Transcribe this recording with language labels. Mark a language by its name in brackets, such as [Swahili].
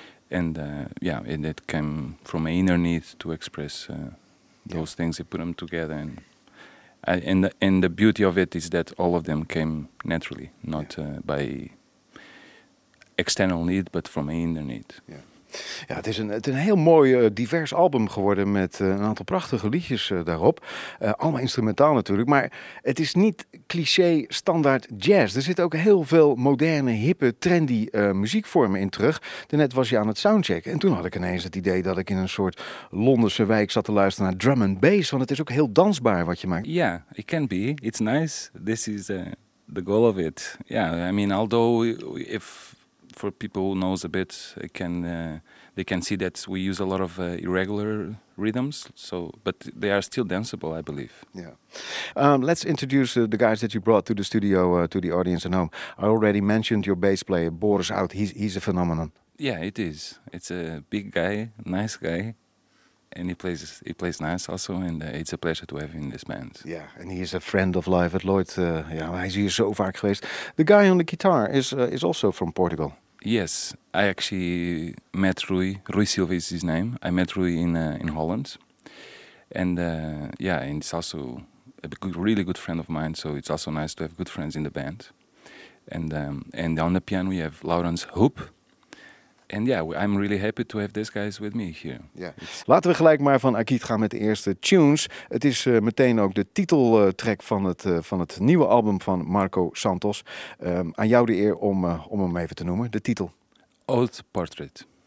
[English] And it came from an inner need to express those things. I put them together and the beauty of it is that all of them came naturally, not by external need, but from inner need. Yeah. [Dutch] Ja, het is een heel mooi divers album geworden met een aantal prachtige liedjes daarop. Allemaal instrumentaal natuurlijk, maar het is niet cliché standaard jazz. Er zitten ook heel veel moderne, hippe, trendy muziekvormen in terug. Daarnet was je aan het soundchecken en toen had ik ineens het idee dat ik in een soort Londense wijk zat te luisteren naar drum and bass, want het is ook heel dansbaar wat je maakt. [English] Ja, yeah, it can be. It's nice. This is the goal of it. Yeah, I mean, although if for people who knows a bit, they can see that we use a lot of irregular rhythms. So, but they are still danceable, I believe. Yeah. Let's introduce the guys that you brought to the studio to the audience at home. I already mentioned your bass player Boris Out. He's a phenomenon. Yeah, it is. It's a big guy, nice guy, and he plays nice also. And it's a pleasure to have him in this band. Yeah, and he is a friend of Live at Lloyd. [Dutch] Hij is hier zo vaak geweest. [English] The guy on the guitar is also from Portugal. Yes, I actually met Rui. Rui Silva is his name. I met Rui in Holland. And and he's also a really good friend of mine, so it's also nice to have good friends in the band. And on the piano we have Laurens Hoop. And I'm really happy to have these guys with me here. Yeah. [Dutch] Laten we gelijk maar van Akit gaan met de eerste tunes. Het is meteen ook de titeltrack van het nieuwe album van Marco Santos. Aan jou de eer om hem even te noemen, de titel. Ode Portrait.